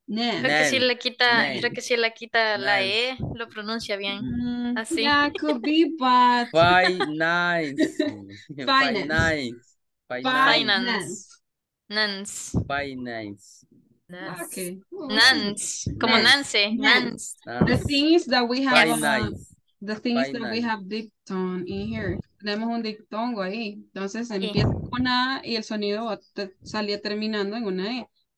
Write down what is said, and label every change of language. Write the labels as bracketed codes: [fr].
[es] Creo que si le quita, la E, lo pronuncia bien. Así. [en] Yeah, could be, but. The thing is that we have diptongue in here. [es] Tenemos un diptongo ahí. Entonces empieza con A y el sonido salía terminando en una E.